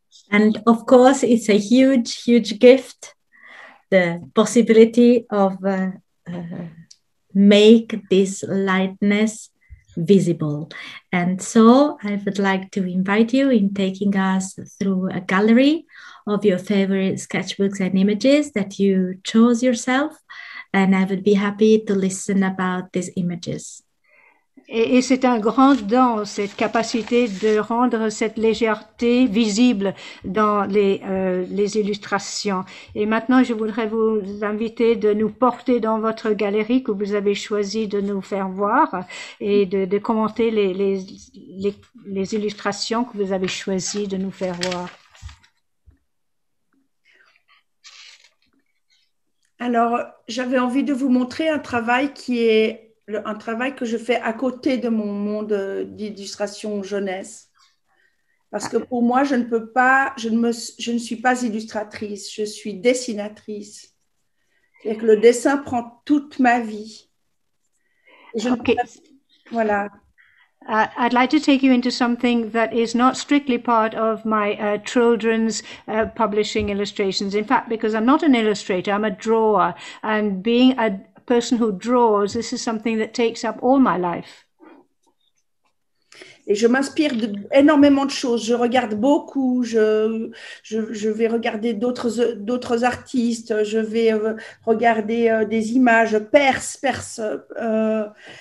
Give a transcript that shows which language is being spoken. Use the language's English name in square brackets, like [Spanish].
[English] And of course, it's a huge, huge gift, the possibility of make this lightness visible. And so I would like to invite you in taking us through a gallery of your favorite sketchbooks and images that you chose yourself, and I would be happy to listen about these images. [French] Et c'est un grand don, cette capacité de rendre cette légèreté visible dans les illustrations. Et maintenant, je voudrais vous inviter de nous porter dans votre galerie que vous avez choisi de nous faire voir et de commenter les illustrations que vous avez choisi de nous faire voir. Alors, j'avais envie de vous montrer un travail qui est un travail que je fais à côté de mon monde d'illustration jeunesse. Parce que pour moi, je ne peux pas, je ne suis pas illustratrice, je suis dessinatrice. C'est-à-dire que le dessin prend toute ma vie. Et je ne peux [English] Okay. [French] pas. Voilà. [English] I'd like to take you into something that is not strictly part of my children's publishing illustrations. In fact, because I'm not an illustrator, I'm a drawer. And being a person who draws, this is something that takes up all my life. [French] Et je m'inspire d'énormément de choses. Je regarde beaucoup, je vais regarder d'autres artistes, je vais regarder des images persanes.